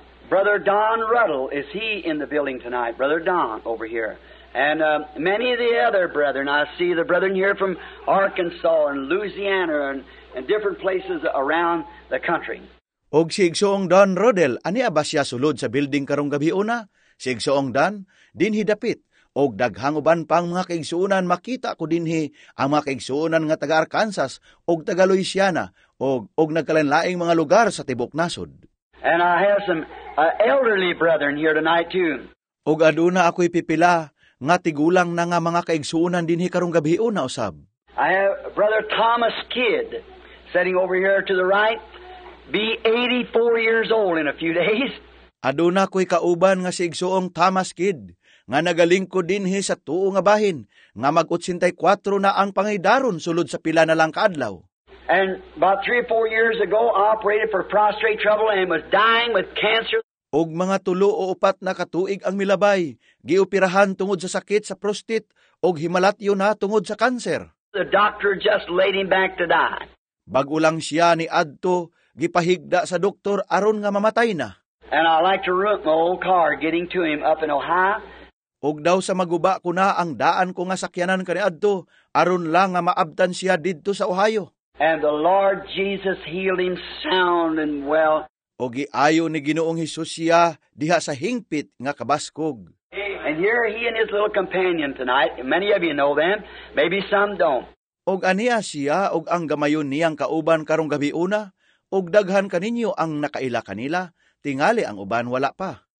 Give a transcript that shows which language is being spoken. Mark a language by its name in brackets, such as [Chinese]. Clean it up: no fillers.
[English] Brother Don Ruddle, is he in the building tonight? Brother Don, over here. And many of the other brethren, I see the brethren here from Arkansas and Louisiana and different places around the country. [Cebuano] Og si Igsoong Don Rodel, ani ba siya sulod sa building karong gabi una? Si Igsoong Don, dinhi dapit. Og daghang uban pang mga kaigsuunan, makita ko dinhi ang mga kaigsuunan nga taga Arkansas og taga Louisiana og nagkalainlaing mga lugar sa tibuok nasod. [English] And I have some elderly brethren here tonight too. [Cebuano] Og aduna ako'y pipila. Nga tigulang na nga mga kaigsuunan din hikarong gabi una, usab. [English] I have Brother Thomas Kidd sitting over here to the right. Be 84 years old in a few days. [Cebuano] Aduna ko'y kauban nga si Igsoong Thomas Kidd, nga nagalingkod din hi sa tuo nga bahin, nga mag-84 na ang pangidaron sulod sa pila na lang kaadlaw. [English] And about 3 or 4 years ago, operated for prostate trouble and was dying with cancer. [Cebuano] Og mga tulo o upat na katuig ang milabay, giupirahan tungod sa sakit sa prostate og himalatyo na tungod sa kanser. [English] The doctor just laid him back to die. [Cebuano] Bag-o lang siya ni adto, gipahigda sa doktor aron nga mamatay na. [English] And I like to rent my old car getting to him up in Ohio. [Cebuano] Og daw sa maguba ko na ang daan ko nga sakyanan kani adto aron lang nga maabtan siya didto sa Ohio. [English] And the Lord Jesus healed him sound and well. [Cebuano] O giayo ni Ginoong Hesus siya diha sa hingpit nga kabaskog. [English] And here he and his little companion tonight, many of you know them, maybe some don't. [Cebuano] Og aniya siya og ang gamayon niyang kauban karong gabi una, og daghan kaninyo ang nakaila kanila, tingali ang uban wala pa.